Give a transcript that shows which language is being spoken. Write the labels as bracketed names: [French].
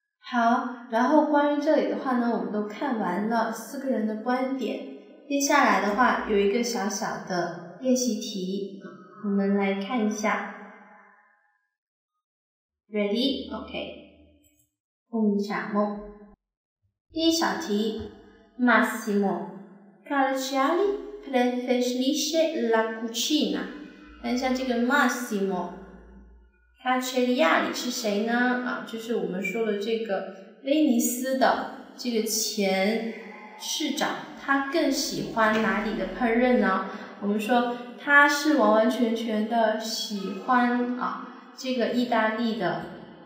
[Chinese] 好，然后关于这里的话呢，我们都看完了四个人的观点，接下来的话有一个小小的练习题，我们来看一下 ，ready？OK， 共享梦。 [Italian] 第一小题 ，Massimo Calciari preferisce la cucina。 [Chinese] 看一下这个 Massimo Calciari 是谁呢？啊，就是我们说的这个威尼斯的这个前市长，他更喜欢哪里的烹饪呢？我们说他是完完全全的喜欢啊这个意大利的。